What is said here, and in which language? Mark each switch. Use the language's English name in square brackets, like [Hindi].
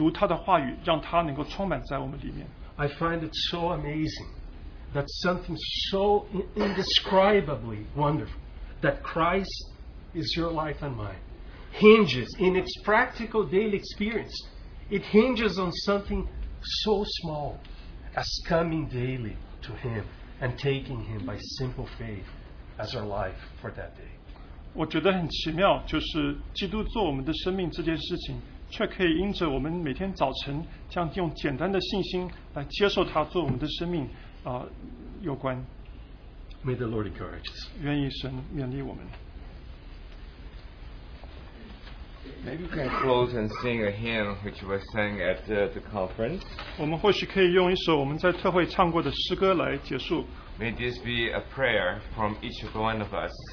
[Chinese] 我们是不是应当每天早晨都能够用十四五分钟来读他的话语，让他能够充满在我们里面？ [English] I find it so amazing that something so indescribably wonderful that Christ is your life and mine hinges in its practical daily experience. It hinges on something so small as coming daily to Him and taking Him by simple faith as our life for that day. [Chinese] 我觉得很奇妙，就是基督做我们的生命这件事情，却可以因着我们每天早晨这样用简单的信心来接受他做我们的生命，有关。 [English] May the Lord encourage us. [Chinese] 愿意神勉励我们。 [English] Maybe we can close and sing a hymn which was sang at the conference. [Chinese] 我们或许可以用一首我们在特会唱过的诗歌来结束。 [English] May this be a prayer from each one of us.